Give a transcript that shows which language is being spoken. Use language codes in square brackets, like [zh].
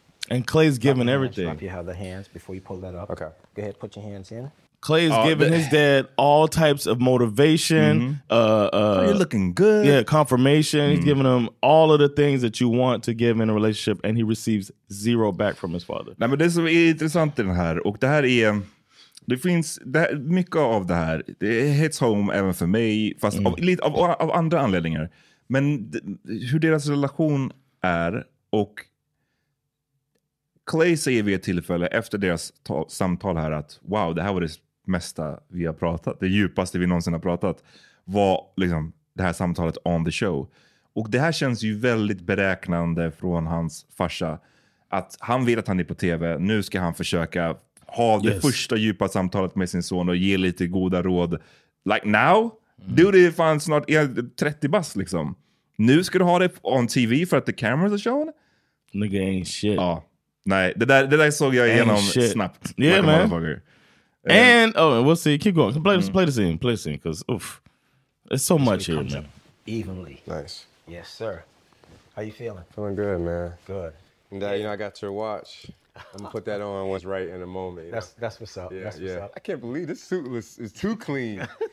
[en] And Clay's giving everything. If you have the hands before you pull that up. Okay. Go ahead, put your hands in. Clay's giving his dad all types of motivation. Mm-hmm. You're looking good. Yeah, confirmation. Mm-hmm. He's giving him all of the things that you want to give in a relationship, and he receives zero back from his father. [sv] Nej, men det som är intressant i den här, och det här är, det finns det här, mycket av det här, det [en] hits home [sv] även för mig, fast av andra anledningar. Men hur deras relation är, och Clay säger vid ett tillfälle efter deras samtal här att wow, det här var det mesta vi har pratat, det djupaste vi någonsin har pratat, var liksom det här samtalet [en] on the show. [sv] Och det här känns ju väldigt beräknande från hans farsa, att han vill att han är på tv, nu ska han försöka ha det första djupa samtalet med sin son och ge lite goda råd. [en] Like now? [sv] Dude, det fanns snart 30 bass liksom. Nu ska du ha det [en] on TV [sv] för att [en] the cameras are shown? Nigga ain't shit. [sv] Ja. Nej, det där såg jag igenom snabbt. [en] Yeah, like man. And we'll see. Keep going. Play the scene, because it's so much here, man. Evenly. Nice. Yes, sir. How you feeling? Feeling good, man. Good. And you know, I got your watch. I'm gonna put that on once right in a moment. That's what's up. I can't believe this suit is too clean.